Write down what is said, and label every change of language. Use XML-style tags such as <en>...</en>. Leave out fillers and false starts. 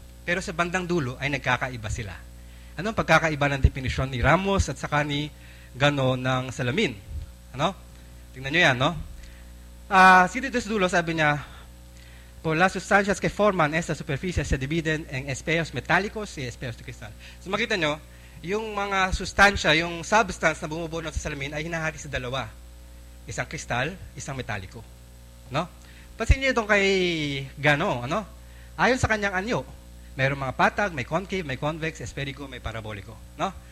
<tl>Pero sa bandang dulo ay nagkakaiba sila. Ano ang pagkakaiba ng definition ni Ramos at saka ni Gano ng salamin? Ano? Tingnan nyo yan, no? Dito sa dulo, sabi niya,</tl> <es>por las sustancias que forman estas superficies se dividen en espejos metálicos y espejos de cristal.</es> <tl>So makita nyo, yung mga sustansya, yung substance na bumubuo sa salamin ay hinahati sa dalawa. Isang kristal, isang metaliko. No? Pansin nyo itong kay Gano, ano? Ayon sa kanyang anyo, mayroong mga patag, may concave, may convex, esperiko, may paraboliko. No?</tl>